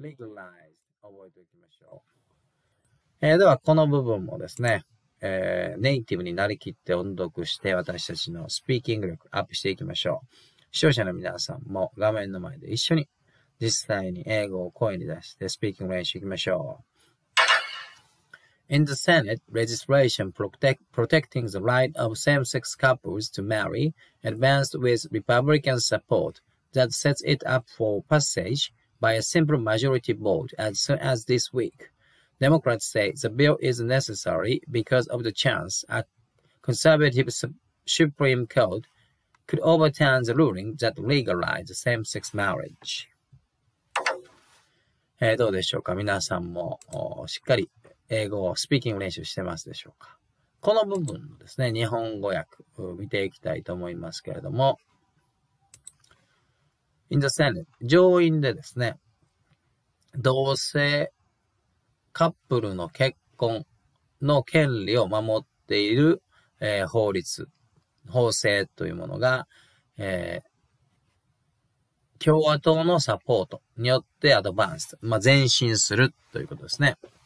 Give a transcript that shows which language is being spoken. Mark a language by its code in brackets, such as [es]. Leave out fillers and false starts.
[ja] legalize。覚えておきましょう。では、この部分もですね、ネイティブになりきって音読して私たちのスピーキング力アップしていきましょう。視聴者の皆さんも画面の前で一緒に実際に英語を声に出してスピーキング練習いきましょう。 [en] In the Senate, legislation protecting the right of same-sex couples to marry advanced with Republican support that sets it up for passage by a simple majority vote as soon as this week. Democrats say the bill is necessary because of the chance a conservative Supreme Court could overturn the ruling that legalized same-sex marriage. [ja] どうでしょうか？皆さんもしっかり英語をスピーキング練習してますでしょうか？この部分のですね、日本語訳を見ていきたいと思いますけれども、 [en] In the Senate, [ja] 上院でですね、同性カップルの結婚の権利を守っている、法律、法制というものが、共和党のサポートによってアドバンス、まあ、前進するということですね。